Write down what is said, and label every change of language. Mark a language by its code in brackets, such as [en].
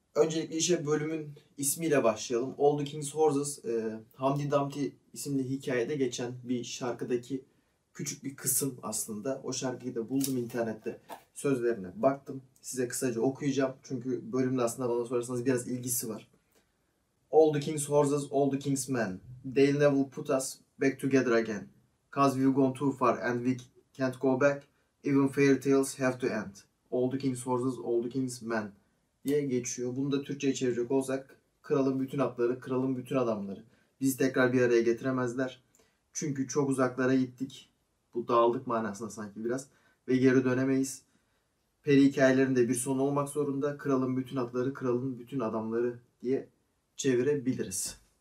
[tr] Öncelikle işe bölümün ismiyle başlayalım. All the King's Horses, Humpty Dumpty isimli hikayede geçen bir şarkıdaki küçük bir kısım aslında. O şarkıyı da buldum internette, sözlerine baktım. Size kısaca okuyacağım çünkü bölümde aslında bana sorarsanız biraz ilgisi var. [en] All the King's Horses, All the King's Men. They never put us back together again. Cause we've gone too far and we can't go back. Even fairy tales have to end. [tr] All the King's Horses, All the King's Men diye geçiyor. Bunu da Türkçe'ye çevirecek olsak, kralın bütün atları, kralın bütün adamları bizi tekrar bir araya getiremezler. Çünkü çok uzaklara gittik. Bu dağıldık manasında sanki biraz. Ve geri dönemeyiz. Peri hikayelerinde bir son olmak zorunda. Kralın bütün atları, kralın bütün adamları diye çevirebiliriz.